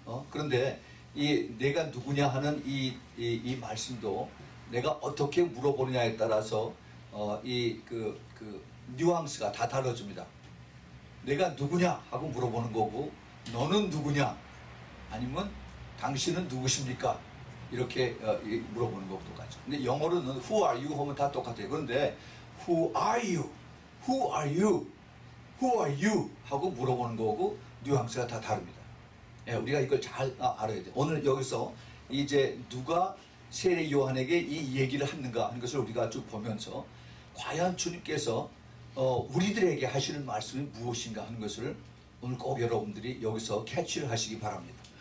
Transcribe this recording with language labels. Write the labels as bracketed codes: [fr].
[ko] 그런데 이 내가 누구냐 하는 이 말씀도 내가 어떻게 물어보느냐에 따라서 그 뉘앙스가 다 다뤄집니다. 내가 누구냐 하고 물어보는 거고 너는 누구냐 아니면 당신은 누구십니까 이렇게 물어보는 것도 같죠. 근데 영어로는 [en] Who are you [ko] 하면 다 똑같아요. 그런데 [en] Who are you? Who are you? Who are you? [ko] 하고 물어보는 거고 뉘앙스가 다 다릅니다. 예, 우리가 이걸 잘 알아야 돼. 오늘 여기서 이제 누가 세례 요한에게 이 얘기를 하는가 하는 것을 우리가 쭉 보면서 과연 주님께서 우리들에게 하시는 말씀이 무엇인가 하는 것을 오늘 꼭 여러분들이 여기서 캐치를 하시기 바랍니다.